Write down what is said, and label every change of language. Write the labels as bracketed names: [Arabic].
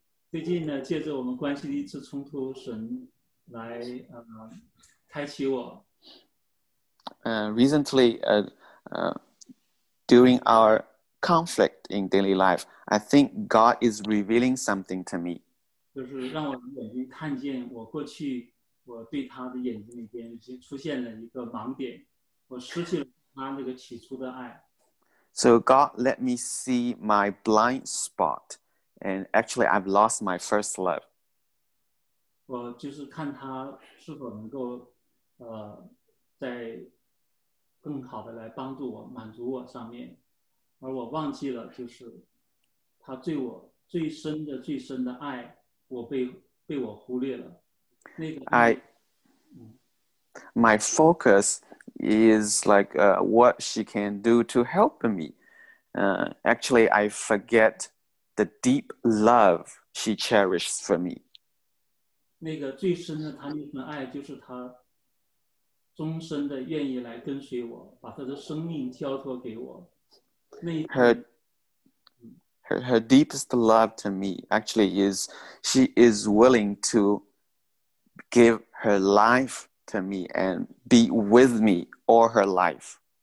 [Chinese] 最近呢，借着我们关系的一次冲突，神来开启我。 [English] Recently, during our conflict in daily life, I think God is revealing something to me. [Chinese] 就是让我眼睛看见我过去我对他的眼睛里边已经出现了一个盲点，我失去了他那个起初的爱。 [English] So God let me see my blind spot, and actually I've lost my first love. [Chinese] 我就是看他是否能够在更好的来帮助我满足我上面，而我忘记了就是他对我最深的最深的爱，我被我忽略了。那个 [English] 爱 My focus is like what she can do to help me. Actually, I forget the deep love she cherishes for me. [Chinese] 那个最深的他那份爱就是他终身的愿意来跟随我，把他的生命交托给我。 [English] Her deepest love to me actually is she is willing to give her life to me and be with me all her life.